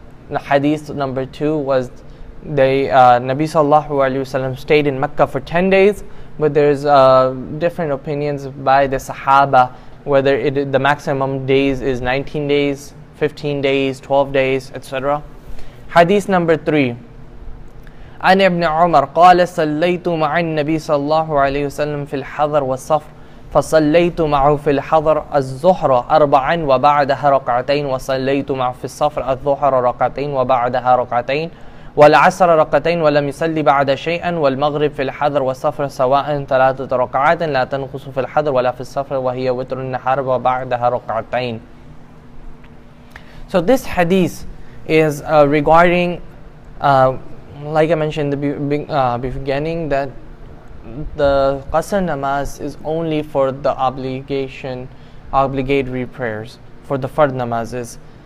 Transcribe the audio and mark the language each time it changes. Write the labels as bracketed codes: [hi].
[en] Hadith number 2 was Nabi sallallahu alayhi wasallam stayed in Mecca for 10 days, but there's different opinions by the Sahaba whether the maximum days is 19 days, 15 days, 12 days, etc. Hadith number 3. [ar] An ibn Umar qala sallaytu ma'an Nabi sallallahu alayhi wasallam fil hadr wa safr, فَصَلَّيْتُ مَعُهُ فِي الْحَضْرِ الزُّهْرَ أَرْبَعًا وَبَعْدَهَا رَكْعَتَيْنِ وَصَلَّيْتُ مَعُهُ فِي الصَّفْرِ الظُّهْرَ رَكْعَتَيْنِ وَبَعْدَهَا رَكْعَتَيْنِ وَالْعَصْرَ رَكْعَتَيْنِ وَلَمْ يُصَلِّ بَعْدَ شَيْءٍ وَالْمَغْرِبَ فِي الْحَضْرِ وَالصَّفْرِ سَوَاءً 3 رَكْعَاتٍ لَا تَنْقُصُ فِي الْحَضْرِ وَلَا فِي الصَّفْرِ وَهِيَ وِتْرُ النَّهَارِ وَبَعْدَهَا رَكْعَتَيْنِ. [en] So this hadith is regarding like I mentioned in the beginning, that the Qasr namaz is only for the obligatory prayers, for the fard namazes.